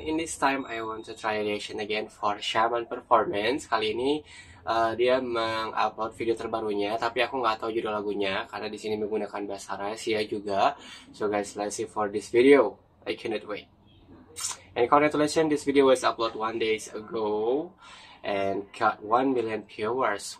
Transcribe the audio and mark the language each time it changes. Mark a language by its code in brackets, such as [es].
[en] In this time, I want to try a reaction again for Shaman Performance. [id] Kali ini dia mengupload video terbarunya, tapi aku nggak tahu judul lagunya karena di sini menggunakan bahasa Rusia juga. [en] So guys, let's see for this video. I cannot wait. And congratulations, this video was uploaded 1 day ago and got 1 million viewers.